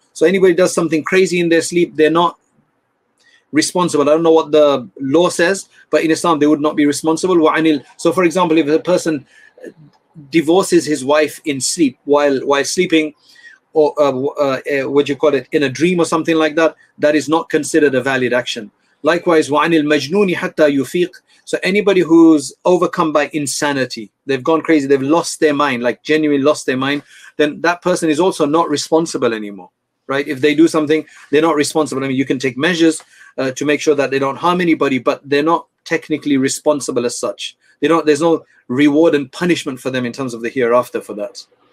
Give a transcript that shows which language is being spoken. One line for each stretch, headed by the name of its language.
English: So anybody does something crazy in their sleep, they're not responsible. I don't know what the law says, but in Islam, they would not be responsible. So for example, if a person divorces his wife in sleep while sleeping, or what do you call it, in a dream or something like that, that is not considered a valid action. Likewise,
Arabic: وَعَنِ الْمَجْنُونِ حَتَّى يُفِيقُ.
English: So anybody who's overcome by insanity, they've gone crazy, they've lost their mind, like genuinely lost their mind, then that person is also not responsible anymore, right? If they do something, they're not responsible. I mean, you can take measures to make sure that they don't harm anybody, but they're not technically responsible as such. They don't, there's no reward and punishment for them in terms of the hereafter for that.